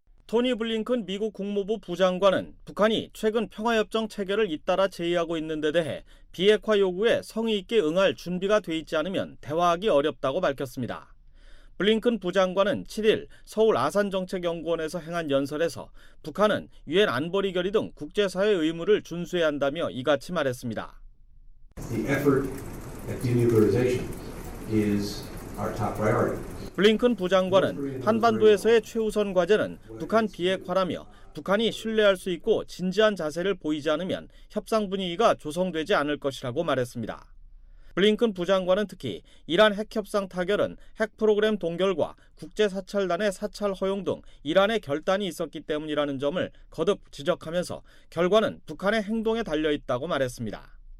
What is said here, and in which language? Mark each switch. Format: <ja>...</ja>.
<ko>토니 블링컨 미국 국무부 부장관은 북한이 최근 평화협정 체결을 잇따라 제의하고 있는 데 대해 비핵화 요구에 성의 있게 응할 준비가 돼 있지 않으면 대화하기 어렵다고 밝혔습니다. 블링컨 부장관은 7일 서울 아산정책연구원에서 행한 연설에서 북한은 유엔 안보리 결의 등 국제사회 의무를 준수해야 한다며 이같이 말했습니다.</ko> <en>The effort at denuclearization is our top priority.</en> <ko>블링컨 부장관은 한반도에서의 최우선 과제는 북한 비핵화라며 북한이 신뢰할 수 있고 진지한 자세를 보이지 않으면 협상 분위기가 조성되지 않을 것이라고 말했습니다. 블링컨 부장관은 특히 이란 핵협상 타결은 핵 프로그램 동결과 국제사찰단의 사찰 허용 등 이란의 결단이 있었기 때문이라는 점을 거듭 지적하면서 결과는 북한의 행동에 달려있다고 말했습니다.</ko>